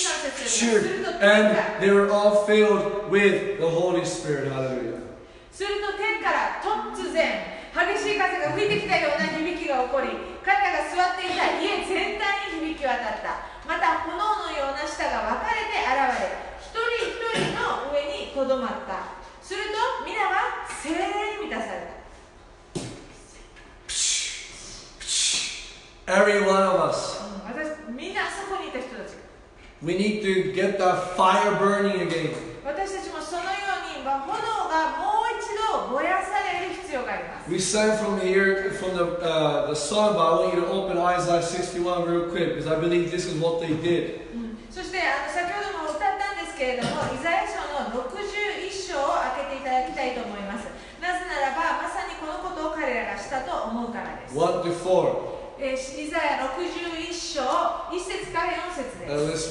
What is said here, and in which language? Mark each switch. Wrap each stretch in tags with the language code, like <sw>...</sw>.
<en>And they were all filled with the Holy Spirit. Hallelujah.</en> <ja>すると天から突然激しい風が吹いてきたような響きが起こり。彼らが座っていた家全体に響き渡った。また炎のような舌が分かれて現れ、一人一人の上にとどまった。すると皆は精霊に満たされた。</ja> <en>Every one of us.</en> <ja>私みんなそこにいた人たち。</ja> <en>We need to get that fire burning again.</en> <ja>私たちもそのように炎がもう一度燃やされる必要があります。</ja> <en>We sang from here, from the song, but I want you to open Isaiah 61 real quick, because I believe this is what they did.</en> <ja>そして、先ほども歌ったんですけれども、イザヤ書の61章を開けていただきたいと思います。なぜならば、まさにこのことを彼らがしたと思うからです。</ja> <en>1-4.</en> <ja>イザヤ61章、1節から4節です。</ja>